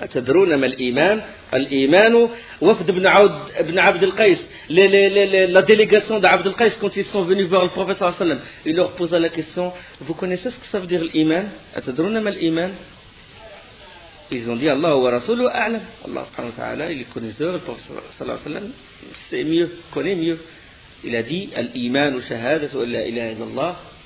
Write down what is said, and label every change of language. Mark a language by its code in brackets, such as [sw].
[ar] أتدرون ما الإيمان؟ الإيمان وفد بن عبد القيس. [fr] La délégation d'Abd al-Qais, quand ils sont venus voir le prophète صلى الله عليه وسلم, il leur posa la question: vous connaissez ce que ça veut dire l'Iman؟ [ar] أتدرون ما الإيمان؟ [fr] Ils ont dit: Allah [ar] هو رسوله أعلم. [fr] Allah سبحانه وتعالى, il est connaisseur, le prophète صلى الله عليه وسلم, c'est mieux, connaît mieux. Il a dit: [ar] الإيمان شهادة ولا إله إلا الله.